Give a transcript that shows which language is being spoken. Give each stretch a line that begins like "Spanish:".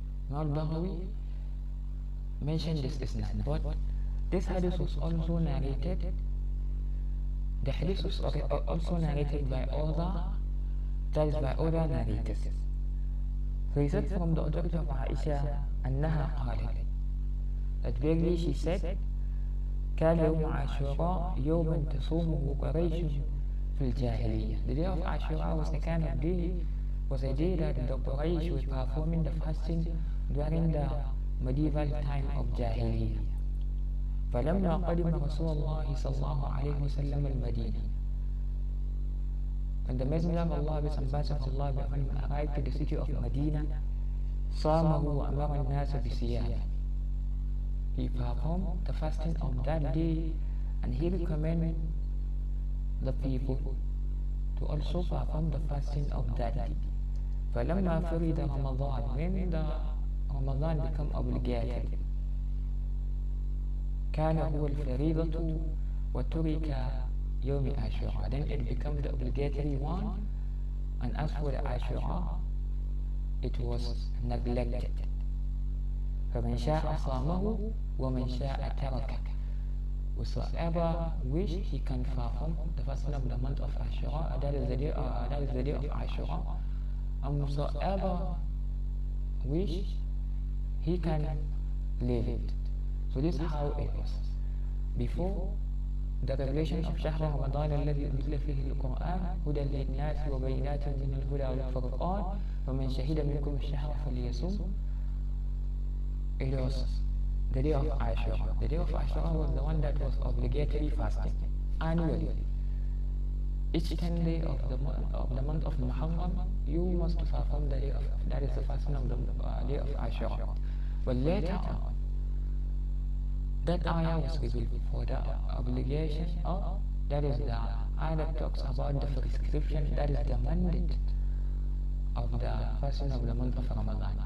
English: Imam al-Baghawi mentioned this isnad, but this hadith was also narrated. The hadith was also narrated by other, that is by other narrators. So he said from the authority of Aisha,
Arabic: أنها قالت,
English: that verily she said,
Arabic: كان يوم عاشوراء يوما تصومه قريش في الجاهلية.
English: The day of Ashura was the kind of day, was a day that the Quraysh was performing the fasting during the medieval time of Jahiliyyah.
Arabic: فلما قدم رسول الله صلى الله عليه وسلم المدينة.
English: And the Messenger of Allah, his ambassador to Allah, when he arrived to the city of Medina,
Arabic: صامه وأمر الناس بصيامه.
English: He performed the fasting of that day and he recommended the people to also perform the fasting of that day.
Arabic: فلما فرض رمضان,
English: when the Ramadan became obligated,
Arabic: كان هو الفريضة وترك يوم عاشوراء.
English: Then it became the obligatory one, and as for the Ashura, it was neglected.
Arabic: فمن شاء صامه ومن شاء تركه.
English: Whosoever wished, he can perform the fasting of the month of Ashura. That is the day of Ashura. And whosoever wished, he can leave it. So this is how it was. Before the revelation of
Arabic: شهر رمضان الذي أنزل فيه القرآن هدى للناس وبينات من الهدى والفرقان ومن شهد منكم الشهر فليصوم.
English: It was the day of Ashura. The day of Ashura was the one that was obligatory fasting annually. Each 10 day of the month of Muharram, you must perform the day of, that is the fasting of the day of Ashura. But later on, that ayah was revealed for the obligation of, that is the ayah that talks about the prescription, that is the mandate of the fasting of the month of Ramadan.